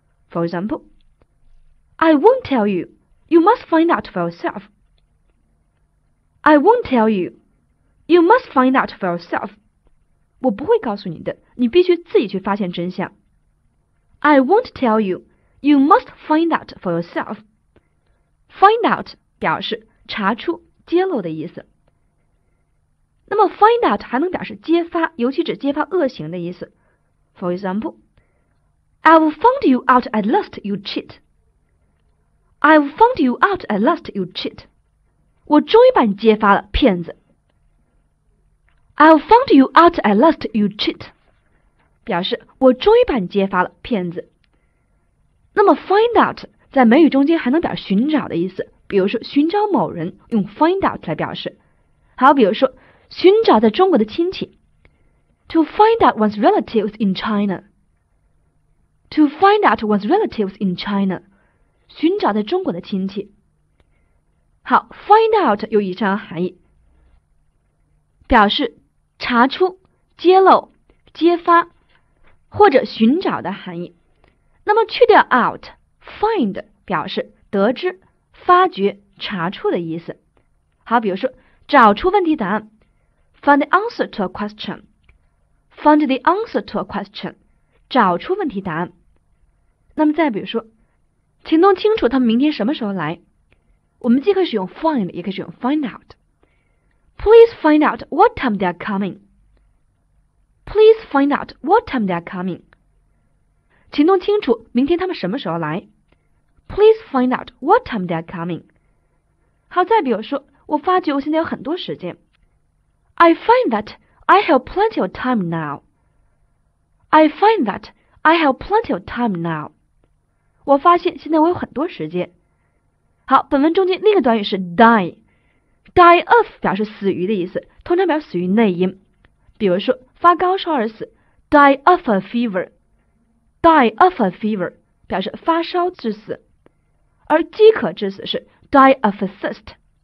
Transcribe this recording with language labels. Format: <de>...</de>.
<en>For example， I won't tell you， you must find out for yourselfI won't tell you. You must find out for yourself.</en> <zh>我不会告诉你的，你必须自己去发现真相。</zh> <en>I won't tell you. You must find out for yourself.</en> <zh>Find out 表示查出、揭露的意思。那么 find out 还能表示揭发，尤其指揭发恶行的意思。</zh> <en>For example, I've found you out at last, you cheat. I've found you out at last, you cheat.</en> <zh>我终于把你揭发了，骗子。</zh> <en>I've found you out at last, you cheat.</en> <zh>表示我终于把你揭发了，骗子。那么 find out 在美语中间还能表示寻找的意思，比如说寻找某人用 find out 来表示。好，比如说寻找在中国的亲戚。</zh> <en>To find out one's relatives in China. To find out one's relatives in China.</en> <zh>寻找在中国的亲戚。好 ,find out 有以上含义。表示查出、揭露、揭发或者寻找的含义。那么去掉 out, find 表示得知、发掘、查出的意思。好，比如说找出问题答案，</zh> <en>find the answer to a question, find the answer to a question,</en> <zh>找出问题答案。那么再比如说，请弄清楚他们明天什么时候来。我们既可以使用 find, 也可以使用 find out。</zh> <en>Please find out what time they are coming. Please find out what time they are coming.</en> <zh>请弄清楚明天他们什么时候来。</zh> <en>Please find out what time they are coming.</en> <zh>好，再比如说，我发觉我现在有很多时间。</zh> <en>I find that I have plenty of time now. I find that I have plenty of time now.</en> <zh>我发现现在我有很多时间。好，本文中间另一个短语是 die。Die of 表示死于的意思，通常表示死于内因。比如说，发高烧而死 ，</zh> <en>die of a fever。 Die of a fever</en> <zh>表示发烧致死，而饥渴致死是</zh> <en>die of a thirst。</en>